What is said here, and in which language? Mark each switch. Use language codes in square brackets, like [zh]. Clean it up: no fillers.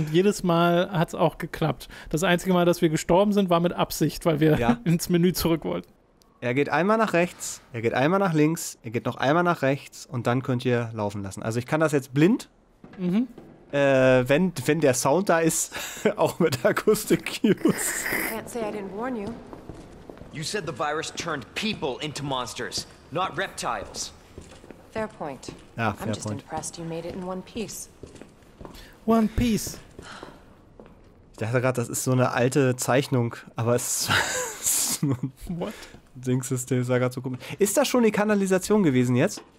[de] Und jedes Mal hat es auch geklappt. Das einzige Mal, dass wir gestorben sind, war mit Absicht, weil wir ins Menü zurück wollten. Er geht einmal nach rechts, er geht einmal nach links, er geht noch einmal nach rechts und dann könnt ihr laufen lassen. Also ich kann das jetzt blind, wenn der Sound da ist, auch mit Akustik-Cues. [en] I can't say I didn't warn you. You said the virus turned people into monsters, not reptiles. Fair point. Ja, fair point. I'm just impressed you made it in one piece. One piece. [de] Ich dachte gerade, das ist so eine alte Zeichnung, aber es ist nur... What? Dingssystem sah gerade so komisch. Ist das schon die Kanalisation gewesen jetzt?